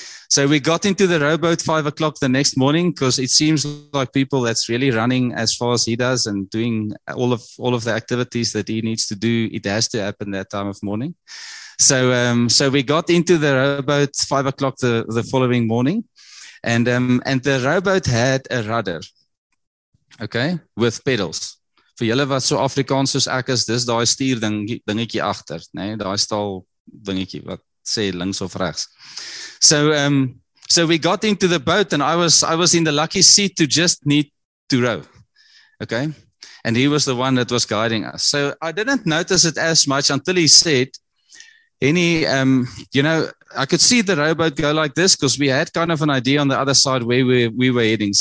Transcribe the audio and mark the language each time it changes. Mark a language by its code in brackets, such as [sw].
[en] So we got into the rowboat 5 o'clock the next morning, because it seems like people that's really running as far as he does and doing all of the activities that he needs to do, it has to happen that time of morning. So so we got into the rowboat 5 o'clock the following morning, and the rowboat had a rudder, okay, with pedals. [af] Vir julle wat so Afrikaans soos ek is, dis daai stuur dingetjie agter, né? Daai staal dingetjie wat sê links of regs. [en] So we got into the boat, and I was in the lucky seat to just need to row, okay? And he was the one that was guiding us. So I didn't notice it as much until he said, "Any, you know, I could see the rowboat go like this," because we had kind of an idea on the other side where we were heading.